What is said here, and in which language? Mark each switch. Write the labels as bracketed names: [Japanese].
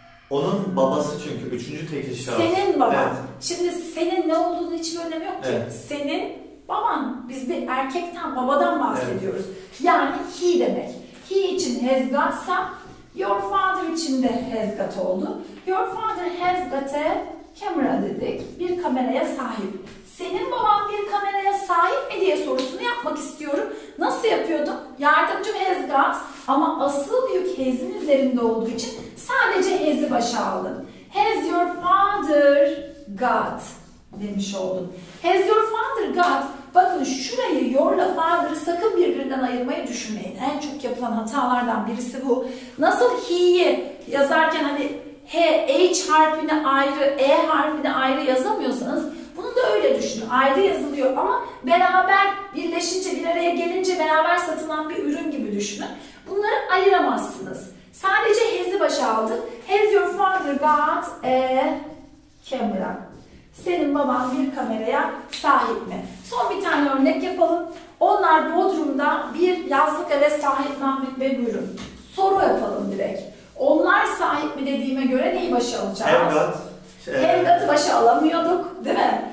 [Turkish] Onun babası çünkü. Üçüncü tekil şahıs. Senin baban. Evet. Şimdi senin ne olduğunu hiç önemi yok ki. Evet. Senin baban. Biz bir erkekten, babadan bahsediyoruz. Evet. Yani he demek. He için has gotsa, [English] your father [Turkish] için de has got oldu. [English] Your father has got a camera [Turkish] dedik. Bir kameraya sahip. Senin baban bir kameraya sahip mi diye sorusunu yapmak istiyorum. Nasıl yapıyordum? Yardımcım has got ama asıl yük has'in üzerinde olduğu için sadece has'i başa aldın. [English] Has your father got [Turkish] demiş oldun. [English] Has your father got? [Turkish] Bakın şurayı, your'la father'ı sakın birbirinden ayırmayı düşünmeyin. En çok yapılan hatalardan birisi bu. Nasıl he'yi yazarken hani H harfini ayrı, E harfini ayrı yazamıyorsanız bunu da öyle düşünün. Ayrı yazılıyor ama beraber birleşince, bir araya gelince beraber satılan bir ürün gibi düşünün. Bunları ayıramazsınız. Sadece has'i başa aldın. [English] Has your father got a camera? [Turkish] Senin baban bir kameraya sahip mi? Son bir tane örnek yapalım. Onlar Bodrum'da bir yazlık eve sahip mi bilmiyorum. Soru yapalım direkt. Onlar sahip mi dediğime göre neyi başa alacağız? Hevgat. Hevgat'ı başa alamıyorduk değil mi?